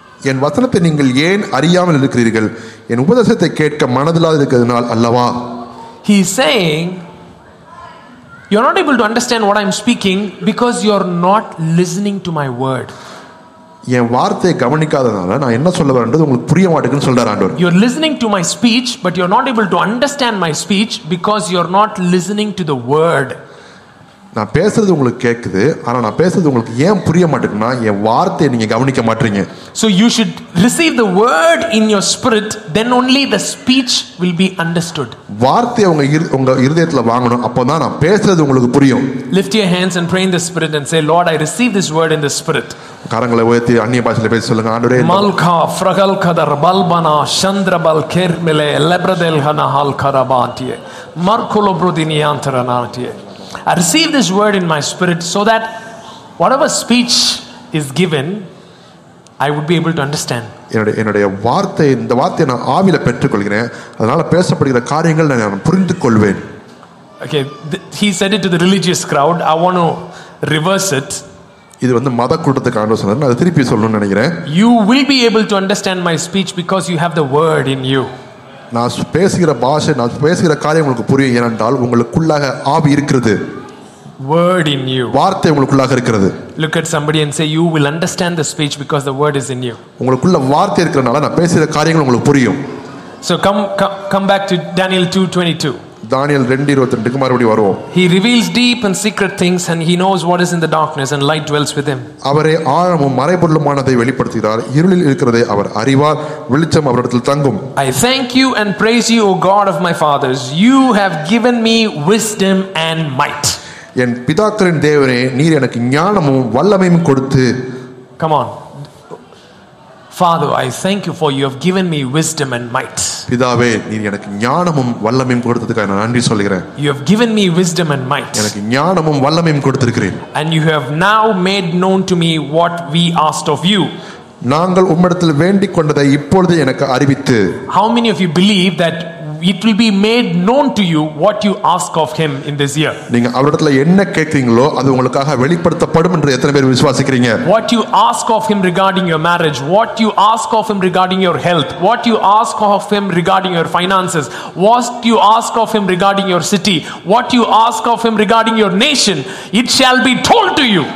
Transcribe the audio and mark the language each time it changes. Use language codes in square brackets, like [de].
[ta] என் வசனத்தை நீங்கள் ஏன் அறியாமல் இருக்கிறீர்கள்? என் உபதேசத்தை கேட்க மனதில்லாத இருக்கிறதுனால் அல்லவா? [en] He is saying, you're not able to understand what I'm speaking because you're not listening to my word. [ta] என் வார்த்தையை கவனிக்காததனால நான் என்ன சொல்ல வரேன்றது உங்களுக்கு புரிய மாட்டேங்குதுன்னு சொல்றார் ஆண்டவர். [en] You're listening to my speech, but you're not able to understand my speech because you're not listening to the word. [ta] நான் பேசுறது உங்களுக்கு கேக்குது, ஆனா நான் பேசுறது உங்களுக்கு ஏன் புரிய மாட்டேங்குதுன்னா என் வார்த்தையை நீங்க கவனிக்க மாட்டீங்க. [en] So you should receive the word in your spirit, then only the speech will be understood. [ta] வார்த்தையை உங்க இதயத்துல வாங்கணும், அப்பதான் நான் பேசுறது உங்களுக்கு புரியும். [en] Lift your hands and pray in the spirit and say, Lord, I receive this word in the spirit. [ta] கரங்களை உயர்த்தி அந்நிய பாஷையில பேசி சொல்லுங்க. ஆண்டவரே, மல்கா ஃப்ரகல் கதர் பல்பனா சந்திரபல் கேர்மிலே லெப்ரதெல் ஹனஹால் கரபாண்டிய மர்க்குலோ புருதினியாந்தரநாட்டிய. [en] I receive this word in my spirit so that whatever speech is given, I would be able to understand. [ta] என்னோட வார்த்தை, இந்த வார்த்தையை நான் ஆவியில பெற்றுக்கொள்கிறேன், அதனால பேசப்படுகிற காரியங்கள் நான் புரிந்து கொள்வேன். [en] Okay, he said it to the religious crowd. I want to reverse it. [ta] இது வந்து மத கூட்டத்துக்கு ஆண்டவர் சொன்னார், அதை திருப்பி சொல்லணும்னு நினைக்கிறேன். [en] You will be able to understand my speech because you have the word in you. [ta] நான் பேசுகிற பாஷை, நான் பேசுகிற காரியம் உங்களுக்கு புரியும், ஏனென்றால் உங்களுக்குள்ளாக ஆவி இருக்கிறது. [en] Word in you. [ta] வார்த்தை உங்களுக்குள்ளாக இருக்கிறது. [en] Look at somebody and say, you will understand the speech because the word is in you. [ta] உங்களுக்குள்ள வார்த்தை இருக்கிறதுனால நான் பேசுகிற காரியங்கள் உங்களுக்கு புரியும். [en] So come back to Daniel 2:22. [ta] Daniel 2:22க்கு மறுபடியும் வருவோம். [en] He reveals deep and secret things and he knows what is in the darkness and light dwells with him. [ta] அவரே ஆழமும் மறைபொருளுமானதை வெளிப்படுத்துகிறார், இருளில் இருக்கிறதை அவர் அறிவார், வெளிச்சம் அவரிடத்தில் தங்கும். [en] I thank you and praise you, O God of my fathers. You have given me wisdom and might. [ta] என் பிதாக்களின் தேவனே, நீர் எனக்கு ஞானமும் வல்லமையும் கொடுத்து. [en] Come on. Father, I thank you for you have given me wisdom and might. [ta] பிதாவே, நீர் எனக்கு ஞானமும் வல்லமையும் கொடுத்ததற்காக நான் நன்றி சொல்கிறேன். [en] You have given me wisdom and might. [ta] எனக்கு ஞானமும் வல்லமையும் கொடுத்திருக்கிறேன். [en] And you have now made known to me what we asked of you. [ta] நாங்கள் உம்மிடத்தில் வேண்டிக்கொண்டதை இப்பொழுது எனக்கு அறிவித்து. [en] How many of you believe that it will be made known to you what you ask of him in this year? [ta] நீங்க அவரிடத்தில் என்ன கேக்குறீங்களோ அது உங்களுக்காக வெளிப்படுத்தப்படும் என்று எத்தனை பேர் விசுவாசிக்கிறீங்க? [en] What you ask of him regarding your marriage, what you ask of him regarding your health, what you ask of him regarding your finances, what you ask of him regarding your city, what you ask of him regarding your nation, it shall be told to you.